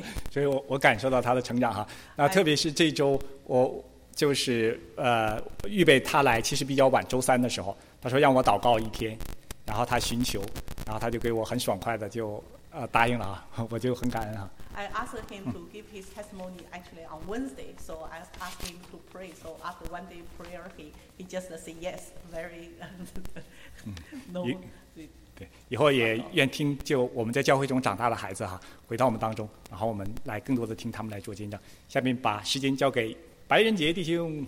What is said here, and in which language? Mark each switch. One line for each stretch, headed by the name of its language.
Chinese: 所以我感受到他的成长哈。那特别是这周我就是预备他来，其实比较晚，周三的时候，他说让我祷告一天，然后他寻求，然后他就给我很爽快的就答应了啊，我就很感恩啊。
English: I asked him to give his testimony actually on Wednesday, so I asked him to pray. So after one day prayer, he just said yes, very no.
Chinese: 对，以后也愿听就我们在教会中长大的孩子哈，回到我们当中，然后我们来更多的听他们来做见证。下面把时间交给白仁杰弟兄。